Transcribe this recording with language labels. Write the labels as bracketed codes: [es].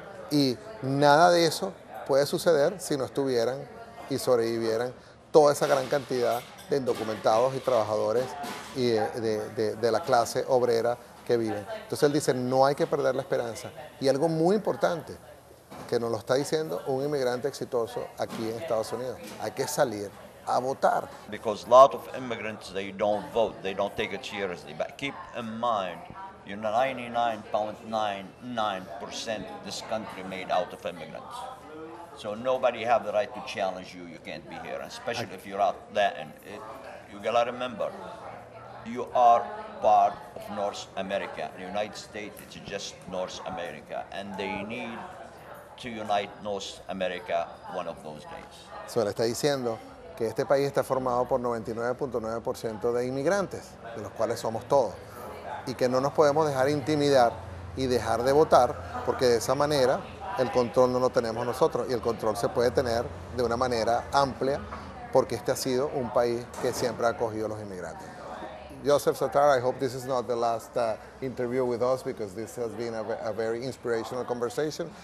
[es] Y nada de eso puede suceder si no estuvieran y sobrevivieran toda esa gran cantidad de indocumentados y trabajadores y de la clase obrera que viven. Entonces él dice, no hay que perder la esperanza. Y algo muy importante, que nos lo está diciendo un inmigrante exitoso aquí en Estados Unidos. Hay que salir a votar. [en] Because a lot of immigrants, they don't vote. They don't take it seriously. But keep in mind, you know, 99.99% this country made out of immigrants. So nobody have the right to challenge you. You can't be here, especially if you're out there. And you gotta remember, you are part of North America. The United States, it's just North America. And they need to unite North America one of those days. [es] So él está diciendo que este país está formado por 99.9% de inmigrantes, de los cuales somos todos, y que no nos podemos dejar intimidar y dejar de votar, porque de esa manera el control no lo tenemos nosotros, y el control se puede tener de una manera amplia, porque este ha sido un país que siempre ha acogido a los inmigrantes. [en] Joseph Sartre, I hope this is not the last interview with us, because this has been a very inspirational conversation.